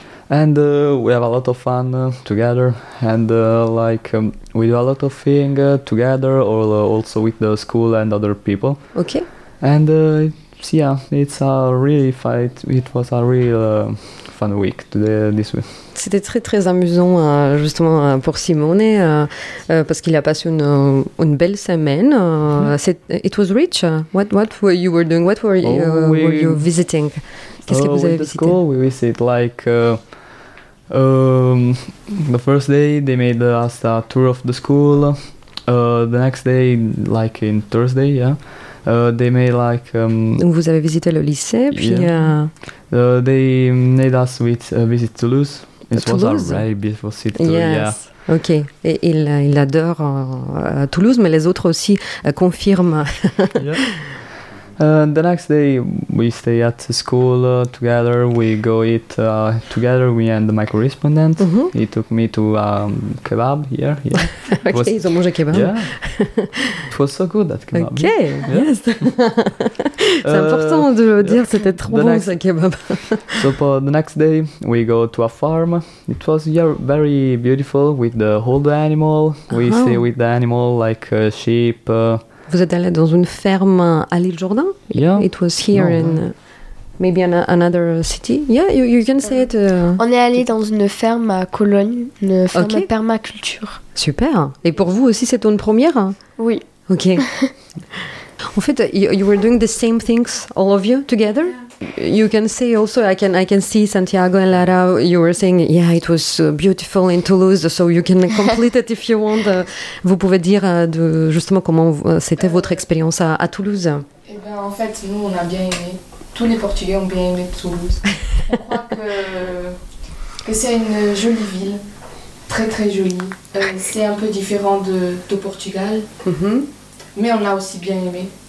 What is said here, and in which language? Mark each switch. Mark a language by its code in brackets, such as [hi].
[en] And we have a lot of fun together, and we do a lot of things together, or also with the school and other people. Okay. And yeah, it's a really fight. It was a real fun week today, this week. [fr] C'était très très amusant justement pour Simone parce qu'il a passé une belle semaine. [en] It was rich. What were you were doing? What were you were you visiting? [fr] Qu'est-ce que vous avez [en] with [fr] visité? [en] The school, we visit like. The first day they made us a tour of the school. The next day, like in Thursday, yeah, they made like. [fr] Donc vous avez visité le lycée, puis. [en] Yeah. They made us visit Toulouse. It was a very beautiful city. Yes. Yeah. [fr] Okay. Et il adore Toulouse, mais les autres aussi confirment. [en] Yeah. The next day, we stay at the school together, we go eat together, me and my correspondent. Mm-hmm. He took me to a kebab here. Yeah. [fr] Okay, ils ont mangé kebab. [en] Yeah. It was so good, that kebab. [fr] Okay, yeah. Yes. C'est important de le dire, yeah. C'était trop bon, ce kebab. [en] So for the next day, we go to a farm. It was very beautiful with the whole animal. We stay with the animal, like sheep. [fr] Vous êtes allé dans une ferme à l'île Jourdain? [en] Yeah. It was here Maybe in another city. Yeah, you can say it. [fr] On est allé dans une ferme à Cologne, une ferme okay. permaculture. Super. Et pour vous aussi, c'est une première? Oui. Ok. En fait, [en] you were doing the same things, all of you, together? Yeah. You can say also, I can see Santiago and Lara, you were saying, yeah, it was beautiful in Toulouse, so you can complete it if you want. [fr] Vous pouvez dire de, justement comment c'était votre expérience à Toulouse. Eh bien, en fait, nous, on a bien aimé. Tous les Portugais ont bien aimé Toulouse. On croit que c'est une jolie ville, très très jolie. C'est un peu différent de Portugal, mm-hmm. mais on l'a aussi bien aimé.